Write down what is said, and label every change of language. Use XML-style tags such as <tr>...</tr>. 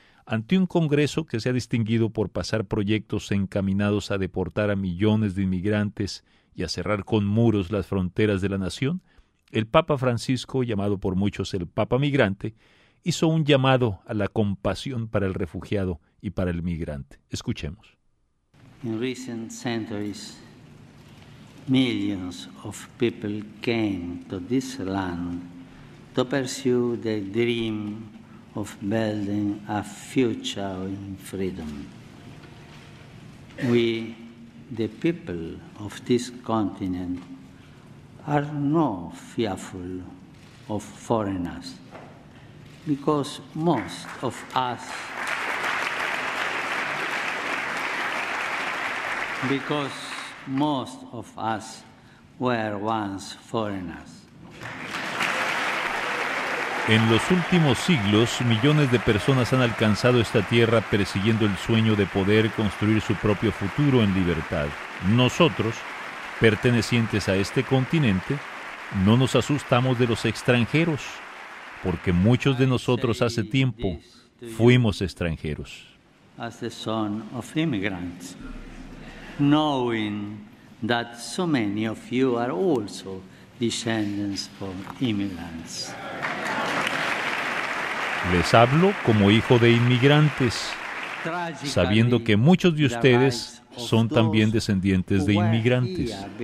<es>Ante un Congreso que se ha distinguido por pasar proyectos encaminados a deportar a millones de inmigrantes y a cerrar con muros las fronteras de la nación, el Papa Francisco, llamado por muchos el Papa Migrante, hizo un llamado a la compasión para el refugiado y para el migrante. Escuchemos.</es> <en>In recent centuries, millions of people came to this land to pursue the dream of building a future in freedom. We, the people of this continent, are not fearful of foreigners, because most of us, were once foreigners.</en> <es>En los últimos siglos, millones de personas han alcanzado esta tierra persiguiendo el sueño de poder construir su propio futuro en libertad. Nosotros, pertenecientes a este continente, no nos asustamos de los extranjeros, porque muchos de nosotros hace tiempo fuimos extranjeros.</es> <en>As the son of immigrants, knowing that so many of you are also descendants from immigrants.</en> <es>Les hablo como hijo de inmigrantes, sabiendo que muchos de ustedes son también descendientes de inmigrantes.</es>